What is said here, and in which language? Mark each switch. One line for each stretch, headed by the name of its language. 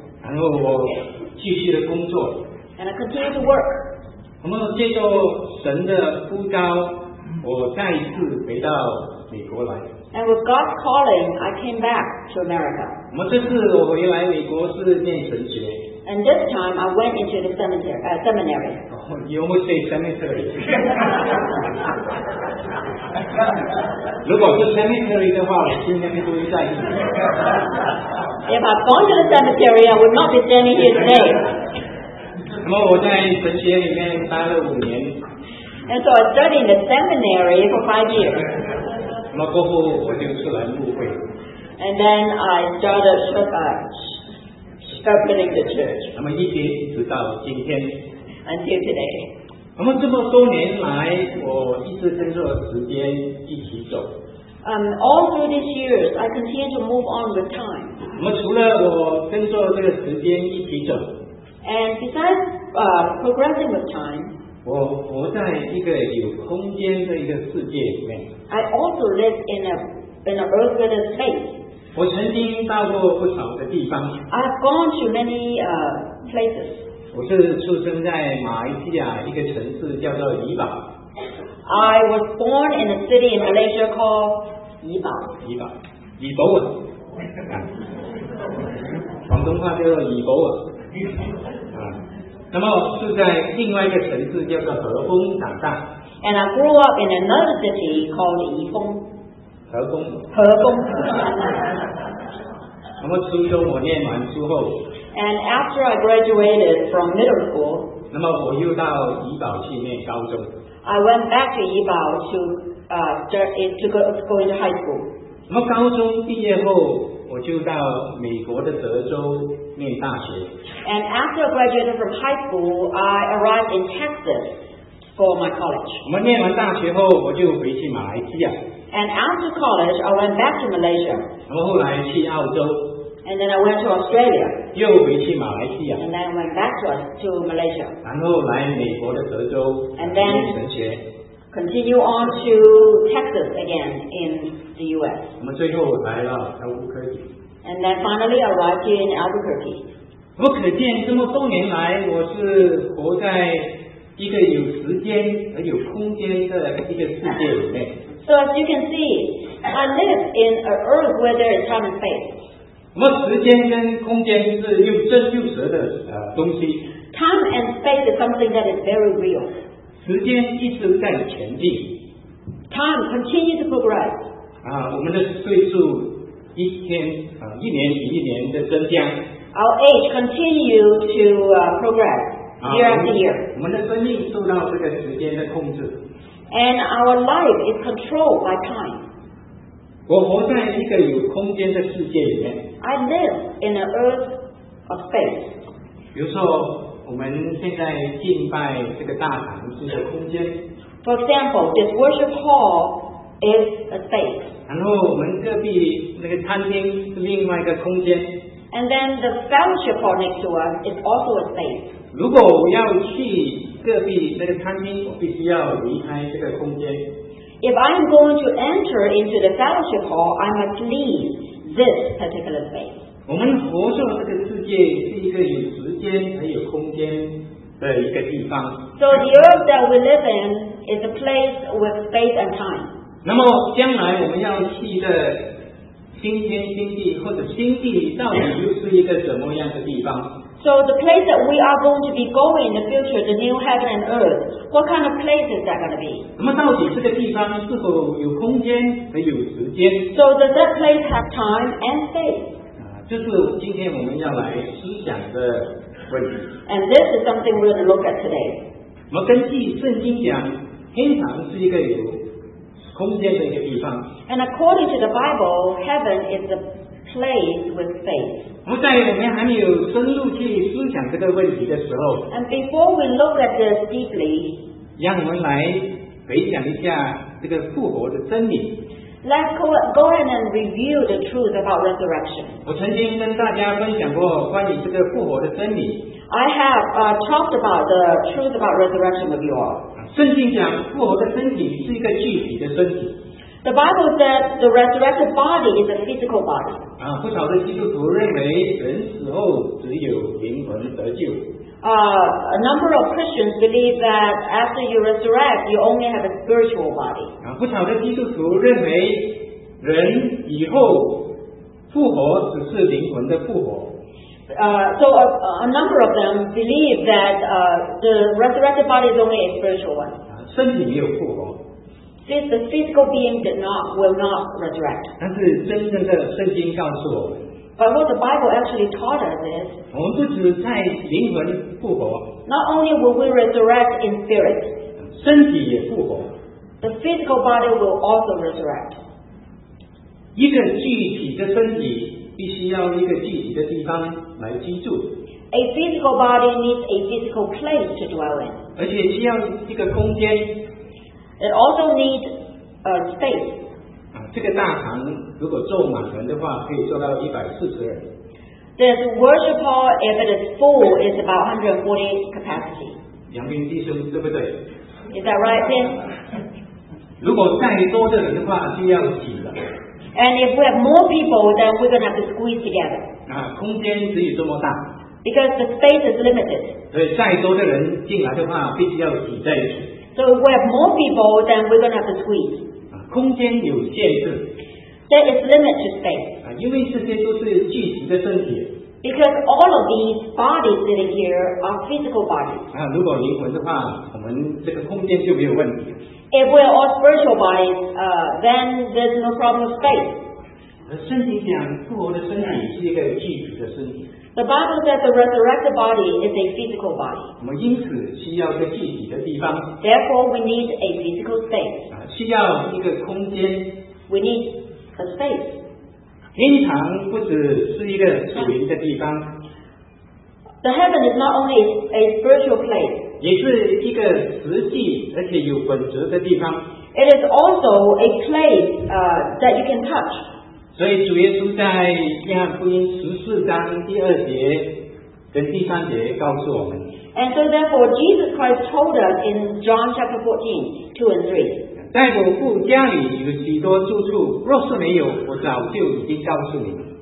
Chinese: 然后我继续的工作。
English: And I continued to work.
Chinese: 那么接受神的呼召，我再一次回到美国来。
English: And with God's calling, I came back to America.
Chinese: 我这次我回来美国是念神学。
English: And this time I went into the seminary. Oh, you almost say cemetery.
Chinese: 如果是 cemetery 的话，我今天不会在意。
English: If I'd gone to the cemetery, I would not be standing here today.
Chinese: 那么我在神学里面待了五年。
English: And so I studied in the seminary for 5 years.
Chinese: 那么过后我就出来牧会。
English: And then I started shepherding the church.
Chinese: 那么一直直到今天。
English: Until today.
Chinese: 那么这么多年来，我一直跟着时间一起走。
English: All through these years, I continue to move on with time.
Chinese: 那么除了我跟着这个时间一起走。
English: And besides progressing with time.
Chinese: 我活在一个有空间的一个世界里面。
English: I also live in an earth with a space.
Chinese: 我曾经到过不少的地方。
English: I've gone to many places.
Chinese: 我是出生在马来西亚一个城市叫做怡保。
English: I was born in a city in Malaysia called 怡保。
Chinese: 怡保，怡保尔。广东话叫做怡保尔。那么住在另外一个城市叫做和丰长大。
English: And I grew up in another city called Yifeng.
Chinese: 和丰。和丰。那么初中我念完之后。
English: And after I graduated from middle school.
Chinese: 那么我又到怡保去念高中。
English: I went back to 怡保 to go into high school.
Chinese: 那么高中毕业后，我就到美国的德州念大学。
English: And after I graduated from high school, I arrived in Texas. For my college.
Chinese: 我们念完大学后，我就回去马来西亚。
English: And after college, I went back to Malaysia.
Chinese: 然后后来去澳洲。
English: And then I went to Australia.
Chinese: 又回去马来西亚。
English: And then I went back to Malaysia.
Chinese: 然后来美国的德州。
English: And then
Chinese: 念神学。
English: Continue on to Texas again in the U.S.
Chinese: 我们最后来到 Albuquerque.
English: And then finally I arrived in Albuquerque.
Chinese: 我可见这么多年来，我是活在一个有时间和有空间的一个世界里面。
English: So as you can see, I live in an earth where there is time and space.
Chinese: 那么时间跟空间是又真又实的东西。
English: Time and space is something that is very real.
Chinese: 时间一直在前进。
English: Time continues to progress.
Chinese: 我们的岁数一天一年比一年的增加。
English: Our age continues to progress. Year after year.
Chinese: 我们的生命受到这个时间的控制。
English: And our life is controlled by time.
Chinese: 我活在一个有空间的世界里面。
English: I live in an earth of space.
Chinese: 比如说，我们现在敬拜这个大堂是一个空间。
English: For example, this worship hall is a space.
Chinese: 然后我们隔壁那个餐厅是另外一个空间。
English: And then the fellowship hall next to us is also a space.
Chinese: 如果我要去隔壁那个餐厅，我必须要离开这个空间。
English: If I am going to enter into the fellowship hall, I must leave this particular space.
Chinese: 我们活着这个世界是一个有时间还有空间的一个地方。
English: So the earth that we live in is a place with space and time.
Chinese: 那么将来我们要去的新天新地或者新地到底又是一个怎么样的地方？
English: So the place that we are going to be going in the future, the new heaven and earth, what kind of place is that going to be?
Chinese: 那么到底这个地方是否有空间和有时间？
English: So does that place have time and space?
Chinese: 这是今天我们要来思想的问题。
English: And this is something we're going to look at today.
Chinese: 那么根据圣经讲，天堂是一个有空间的一个地方。
English: And according to the Bible, heaven is a place with space.
Chinese: 在我们还没有深入去思想这个问题的时候
English: And before we look at this deeply
Chinese: 让我们来回想一下这个复活的真理
English: Let's go ahead and review the truth about resurrection
Chinese: 我曾经跟大家分享过关于这个复活的真理
English: I have talked about the truth about resurrection with you all
Chinese: 圣经讲复活的身体是一个具体的身体
English: The Bible says the resurrected body is a physical body.
Chinese: 不少的基督徒认为人死后只有灵魂得救。
English: A number of Christians believe that after you resurrect, you only have a spiritual body.
Chinese: 不少的基督徒认为人以后复活只是灵魂的复活。
English: So a number of them believe that the resurrected body is only a spiritual one.
Chinese: 身体没有复活。
English: Since the physical being did not, will not resurrect.
Chinese: 但是真正的圣经告诉我们。
English: But what the Bible actually taught us is.
Chinese: 我们不只在灵魂复活。
English: Not only will we resurrect in spirit.
Chinese: 身体也复活。
English: The physical body will also resurrect.
Chinese: 一个具体的身体必须要一个具体的地方来居住。
English: A physical body needs a physical place to dwell in.
Chinese: 而且需要一个空间。
English: It also needs a space.
Chinese: 这个大堂如果坐满人的话，可以坐到140人。
English: This worship hall, if it is full, is about 140 capacity.
Chinese: 杨斌弟兄，对不对
English: ？Is that right, Tim?
Chinese: 如果再多的人的话，就要挤了。
English: And if we have more people, then we're going to have to squeeze together.
Chinese: 空间只有这么大。
English: Because the space is limited.
Chinese: 所以再多的人进来的话，必须要挤在一起。
English: So if we have more people, then we're going to have to squeeze.
Chinese: 空间有限制。
English: There is limit to space.
Chinese: 因为这些都是具体的身体。
English: Because all of these bodies sitting here are physical bodies.
Chinese: 如果灵魂的话，我们这个空间就没有问题。
English: If we're all spiritual bodies, then there's no problem with space.
Chinese: 圣经讲复活的身体是一个具体的身体。
English: The Bible says the resurrected body is a physical body.
Chinese: 我们因此需要一个具体的地方。
English: Therefore, we need a physical space.
Chinese: 需要一个空间。
English: We need a space.
Chinese: 天堂不只是一个属灵的地方。
English: The heaven is not only a spiritual place.
Chinese: 也是一个实际而且有本质的地方。
English: It is also a place, that you can touch.
Chinese: 所以主耶稣在约翰福音14:2跟13告诉我们。
English: And so therefore, Jesus Christ told us in John 14:2-3.
Chinese: 在我父家里有许多住处，若是没有，我早就已经告诉你。